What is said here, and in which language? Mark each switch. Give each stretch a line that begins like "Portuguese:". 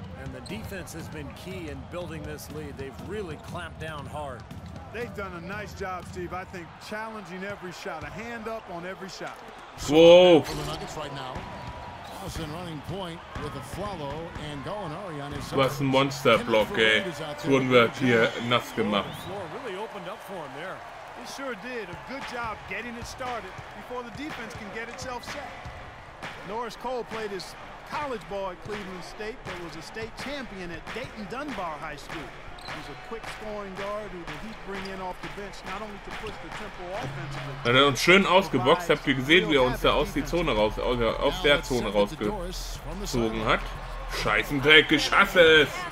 English: And the defense has been key in building this lead. They've really clamped down hard. They've done a nice job, Steve. I think challenging every shot, a hand up on every shot. Whoa! For the Nuggets right now. Austin running point with a follow and Gallinari on his side.
German: Was ein Monster Block, ey. Wurden wir hier nass gemacht.
English: Really opened up for him there. He sure did. A good job getting it started before the defense can get itself set. Norris Cole played his college ball at Cleveland State, but was a state champion at Dayton Dunbar High School. He's a quick scoring guard who the Heat bring in off the bench, not only to push the tempo offensively.
German: Er hat uns schön ausgeboxt. Habt ihr gesehen, wie er uns da aus der Zone raus, aus der Zone rausgezogen hat? Scheißen Dreck, ich hasse es.